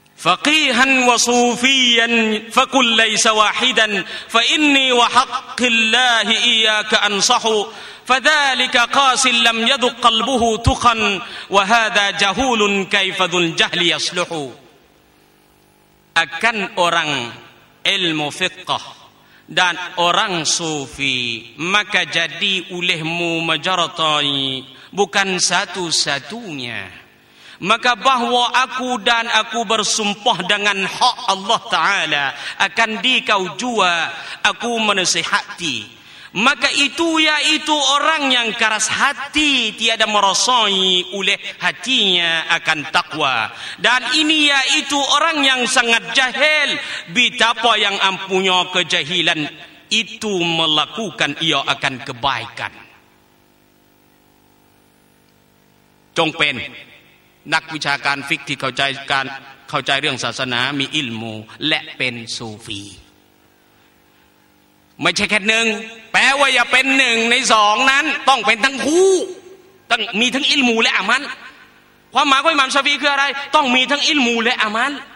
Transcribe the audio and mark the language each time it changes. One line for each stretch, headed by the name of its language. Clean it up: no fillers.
Arabic: فقيها وصوفيا فكل ليس واحدا فإني وحق الله إياك أنصح فذلك قاس لم يذق قلبه تقا وهذا جهول كيف ذو الجهل يصلح أكن
Malay: orang ilmu fiqh dan orang sufi maka jadi olehmu majaratai bukan satu-satunya. Maka bahwa aku dan aku bersumpah dengan hak Allah Ta'ala akan dikau jua aku menasihati. Maka itu yaitu orang yang keras hati tiada merasai oleh hatinya akan takwa. Dan ini yaitu orang yang sangat jahil betapa yang ampunya kejahilan itu melakukan ia akan kebaikan. Cong pen.
Thai: นักวิชาการฟิกที่เข้าใจการเข้าใจเรื่องศาสนามีอิลมูและเป็นซูฟีไม่ใช่แค่หนึ่งแปลว่าอย่าเป็นหนึ่งในสองนั้นต้องเป็นทั้งคู่ต้องมีทั้งอิลมูและอามัลความหมายของอิหม่ามซะฟีคืออะไรต้องมีทั้งอิลมูและอามัล